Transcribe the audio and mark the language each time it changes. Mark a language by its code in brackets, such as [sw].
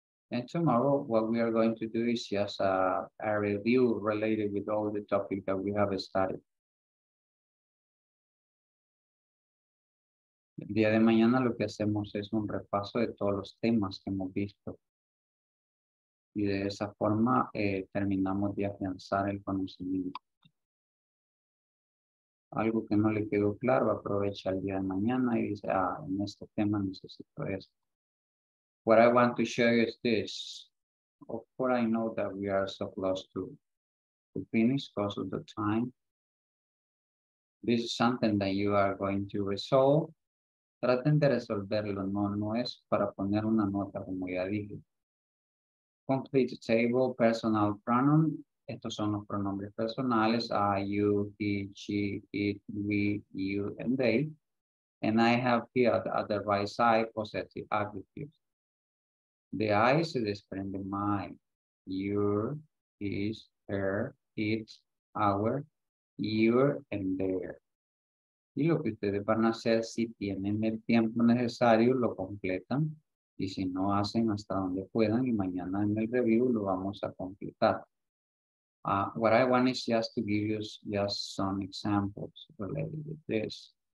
[en] And tomorrow, what we are going to do is just a review related with all the topics that we have started. [es] El día de mañana lo que hacemos es un repaso de todos los temas que hemos visto. Y de esa forma terminamos de afianzar el conocimiento. Algo que no le quedó claro, aprovecha el día de mañana y dice, ah, en este tema necesito esto. [en] What I want to show you is this. Of course, I know that we are so close to finish because of the time. This is something that you are going to resolve. [es] Traten de resolverlo. No es para poner una nota, como ya dije. [en] Complete the table, personal pronoun. [es] Estos son los pronombres personales. [en] I, you, he, she, it, we, you, and they. And I have here at the right side, possessive adjectives. The I [es] se desprende [en] my, your, his, her, its, our, your, and their. [es] Y lo que ustedes van a hacer, si tienen el tiempo necesario, lo completan. Y si no hacen, hasta donde puedan. Y mañana en el review lo vamos a completar. [en] What I want is just to give you just some examples related to this.